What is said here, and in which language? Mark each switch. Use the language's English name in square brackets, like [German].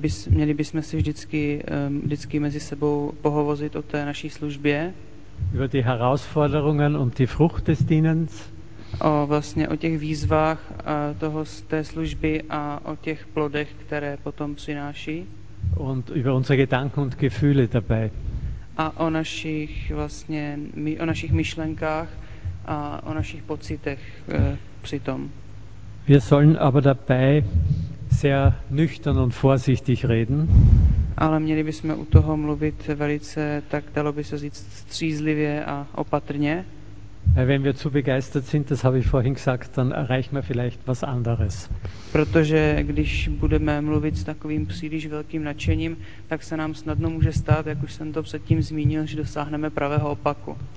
[Czech] Měli bychom si vždycky mezi sebou pohovořit o té naší službě. [German] Über die Herausforderungen und die Frucht des Dienens. [Czech] O vlastně o těch výzvách toho z té služby a o těch plodech, které potom přináší. [German] Und über unsere Gedanken und Gefühle dabei. [Czech] A o našich vlastně o našich myšlenkách a o našich pocitech přitom. [German] Wir sollen aber dabei sehr nüchtern und vorsichtig reden. [Czech] Ale měli bychom u toho mluvit velice, tak dalo by se říct, střízlivě a opatrně. [German] Wenn wir zu begeistert sind, das habe ich vorhin gesagt, dann erreichen wir vielleicht was anderes. [Czech] Protože když budeme mluvit s takovým příliš velkým nadšením, tak se nám snadno může stát, jak už jsem to předtím zmínil, že dosáhneme pravého opaku.